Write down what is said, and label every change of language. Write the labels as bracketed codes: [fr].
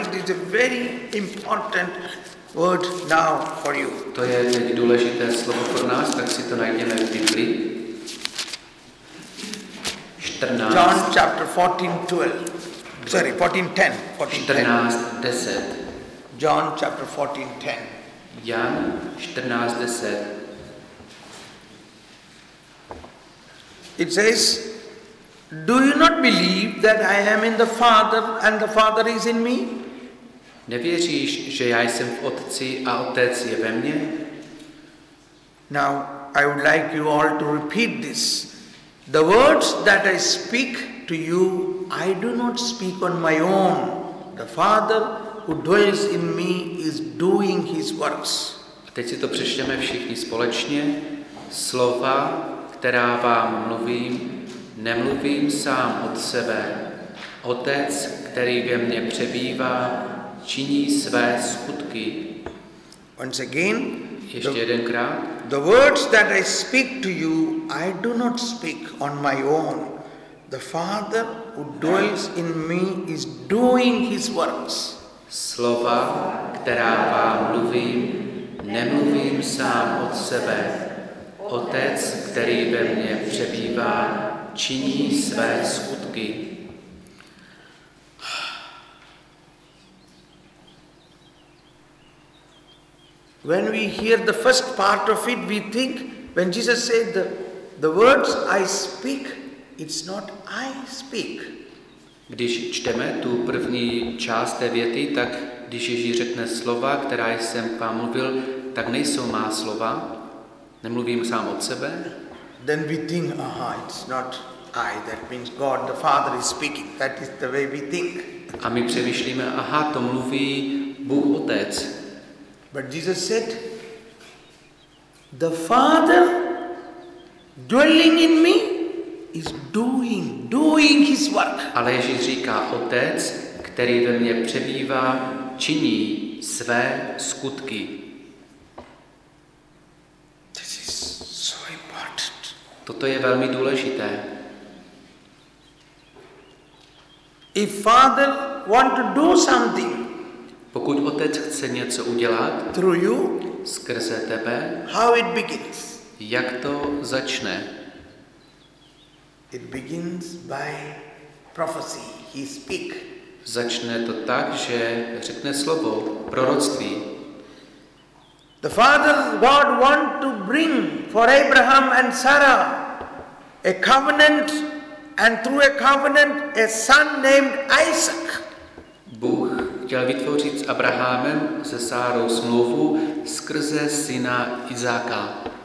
[en] It is a very important word now for you. [cs] To je teď důležité slovo pro nás, tak si to najdeme v Biblii. [en] 14. John chapter 14:12. Sorry, 14:10. 14:10. John chapter 14:10. [cs] Jan 14:10. [en] It says, do you not believe that I am in the Father and the Father is in me? [cs] Nevěříš, že já jsem v Otci a Otec je ve mně? [en] Now, I would like you all to repeat this. The words that I speak to you, I do not speak on my own. The Father who dwells in me is doing his works. [cs] A teď si to přečteme všichni společně. Slova, která vám mluvím, nemluvím sám od sebe. Otec, který ve mně přebývá, činí své skutky. [en] Once again, [cs] ještě jedenkrát. [en] The words that I speak to you, I do not speak on my own. The Father who dwells in me is doing his works. [cs] Slova, která vám mluvím, nemluvím sám od sebe. Otec, který ve mně přebývá, činí své skutky. [en] When we hear the first part of it, we think, when Jesus said the words I speak, it's not I speak. [cs] Když čteme tu první část té věty, tak když Ježíš řekne slova, která jsem vám mluvil, tak nejsou má slova. Nemluvím sám od sebe. [en] Then we think, aha, it's not I, that means God, the Father is speaking. That is the way we think. [cs] A my přemýšlíme, aha, to mluví Bůh Otec. [en] But Jesus said, the Father dwelling in me is doing his work. [cs] Ale Ježíš říká, Otec, který ve mně přebývá, činí své skutky. [en] This is so important. [cs] Toto je velmi důležité. [en] If father want to do something, [cs] pokud otec chce něco udělat, [en] through you, [cs] skrze tebe, [en] how it begins? [cs] Jak to začne? [en] It begins by prophecy. He speak. [cs] Začne to tak, že řekne slovo, proroctví. [en] The father God want to bring for Abraham and Sarah a covenant, and through a covenant a son named Isaac. [cs] Bůh chtěl vytvořit s Abrahamem se Sárou smlouvu skrze syna Izáka.